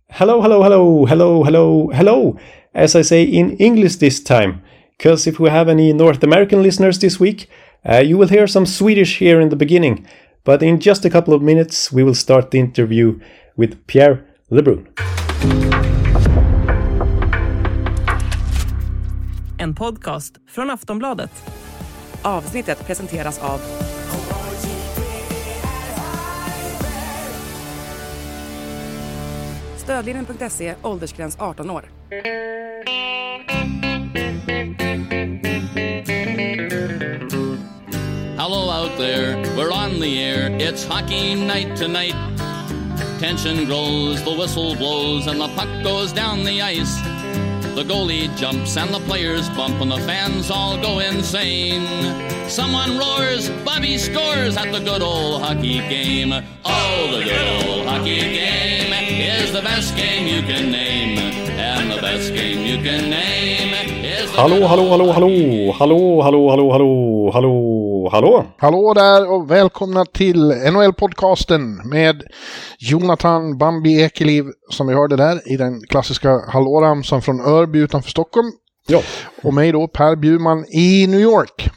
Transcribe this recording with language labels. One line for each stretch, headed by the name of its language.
English: Hello, hello, hello, hello, hello, hello, as I say in English this time, because if we have any North American listeners this week, you will hear some Swedish here in the beginning, but in just a couple of minutes we will start the interview with Pierre LeBrun.
Swedish: En podcast från Aftonbladet. Avsnittet presenteras av... Stödlinjen.se, åldersgräns 18 år.
English: Hello out there, we're on the air, it's hockey night tonight. Tension grows, the whistle blows and the puck goes down the ice. The goalie jumps and the players bump and the fans all go insane. Someone roars, Bobby scores at the good old hockey game. Oh, the good old hockey game is the best game you can name. And the best game you can name is the
Swedish: hallå, hallå, hallå, hallå, hallå, hallå, hallå, hallå, hallå, hallå, hallå. Hallå där och välkomna till NHL-podcasten med Jonathan Bambi Ekeliw som vi hörde där i den klassiska hallåramsan från Örby utanför Stockholm. Ja. Och mig då, Per Bjurman i New York.